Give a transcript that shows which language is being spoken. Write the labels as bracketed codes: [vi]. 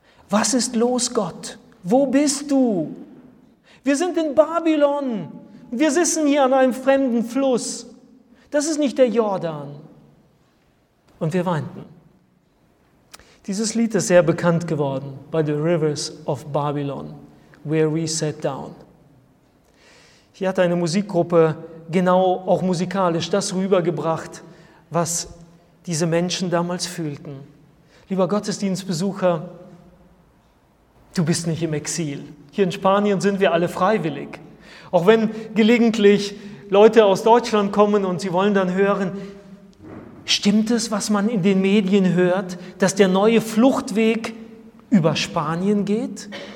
[de] Was ist los, Gott? Wo bist du? Wir sind in Babylon. Wir sitzen hier an einem fremden Fluss. Das ist nicht der Jordan. Und wir weinten. Dieses Lied ist sehr bekannt geworden. [en] By the rivers of Babylon, where we sat down. [de] Hier hat eine Musikgruppe genau auch musikalisch das rübergebracht, was diese Menschen damals fühlten. Lieber Gottesdienstbesucher, du bist nicht im Exil. Hier in Spanien sind wir alle freiwillig. Auch wenn gelegentlich Leute aus Deutschland kommen und sie wollen dann hören, stimmt es, was man in den Medien hört, dass der neue Fluchtweg über Spanien geht?